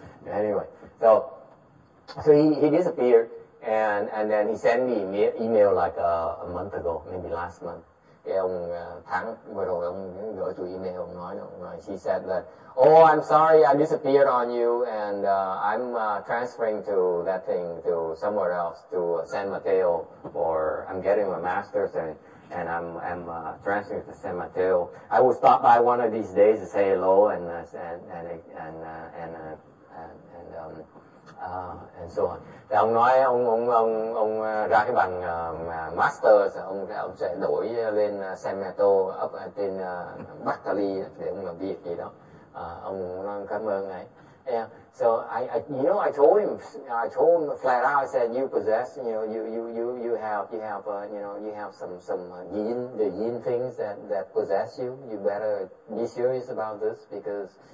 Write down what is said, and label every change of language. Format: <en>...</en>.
<en>Anyway, So he disappeared, and then he sent me email like a month ago, maybe last month.</en> <vi>Cái ông tháng vừa rồi ông gửi tôi email, ông nói đó.</vi> <en>She said that, oh, I'm sorry, I disappeared on you, and I'm transferring to that thing, to somewhere else, to San Mateo, or I'm getting my master's, and I'm transferring to San Mateo. I will stop by one of these days to say hello, and so on.</en> <vi>Thì ông nói ông ra cái bằng master, ông sẽ đổi lên San Mateo up trên Bacali để ông làm việc gì đó. Ông nói cảm ơn ngài.</vi> <en>Yeah. So I told him flat out. I said you possess, you have some yin things that possess you. You better be serious about this because.</en>